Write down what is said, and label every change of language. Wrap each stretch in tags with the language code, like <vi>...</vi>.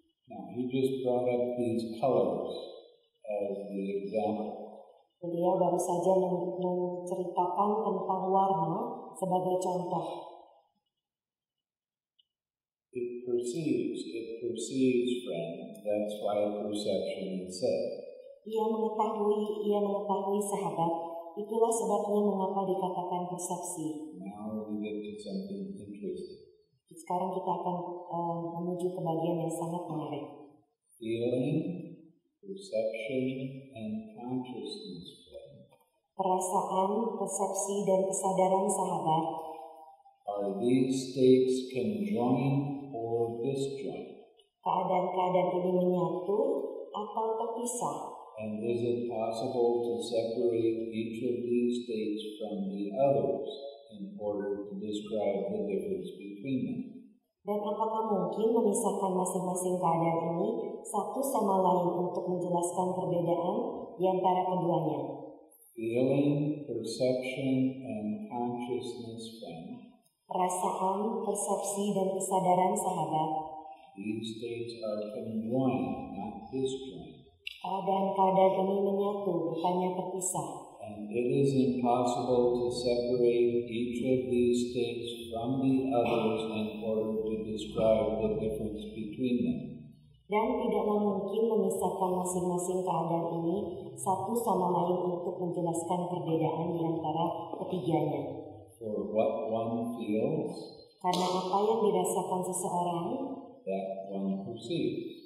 <en>Now, he just brought up these colors as the example.</en> <id>Dia baru saja menceritakan tentang warna sebagai contoh.</id> <en>It perceives, friend. That's why perception is said.</en> <id>Ia mengetahui sahabat. Itulah sebabnya mengapa dikatakan persepsi.</id> <en>Now we get to something interesting.</en> <id>Sekarang kita akan menuju ke bagian yang sangat menarik.</id> <en>Feeling, perception, and consciousness.</en> <id>Perasaan, persepsi, dan kesadaran sahabat.</id> <en>Are these states conjoined or disjoint?</en> <id>Keadaan-keadaan ini menyatu atau terpisah?</id> <en>And is it possible to separate each of these states from the others in order to describe the difference between them?</en> <id>Dan apakah mungkin memisahkan masing-masing keadaan ini satu sama lain untuk menjelaskan perbedaan di antara keduanya?</id> <en>Feeling, perception, and consciousness, friend.</en> <id>Perasaan, persepsi, dan kesadaran sahabat.</id> <en>These states are conjoined, not disjoined.</en> <id>Keadaan-keadaan ini menyatu, bukannya terpisah.</id> <en>And it is impossible to separate each of these states from the others in order to describe the difference between them.</en> <id>Dan tidaklah mungkin memisahkan masing-masing keadaan ini satu sama lain untuk menjelaskan perbedaan di antara ketiganya.</id> <en>For what one feels,</en> <id>karena apa yang dirasakan seseorang,</id> <en>that one perceives.</en>